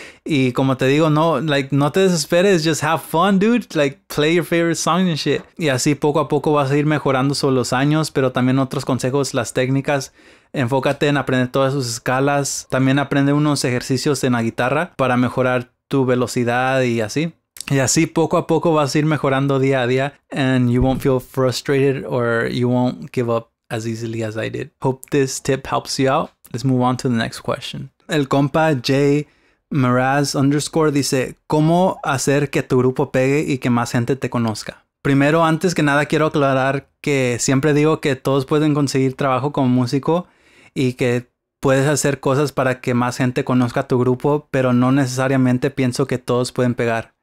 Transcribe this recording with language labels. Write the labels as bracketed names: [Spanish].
[Spanish] Y como te digo, no, like, no te desesperes, [English] just have fun, dude. Like, play your favorite song and shit. [Spanish] Y así poco a poco vas a ir mejorando sobre los años, pero también otros consejos, las técnicas. Enfócate en aprender todas sus escalas. También aprende unos ejercicios en la guitarra para mejorar tu velocidad y así. Y así poco a poco vas a ir mejorando día a día, [English] and you won't feel frustrated or you won't give up as easily as I did. Hope this tip helps you out. Let's move on to the next question. [Spanish] El compa J Meraz _ dice, ¿cómo hacer que tu grupo pegue y que más gente te conozca? Primero, antes que nada, quiero aclarar que siempre digo que todos pueden conseguir trabajo como músico y que puedes hacer cosas para que más gente conozca tu grupo, pero no necesariamente pienso que todos pueden pegar.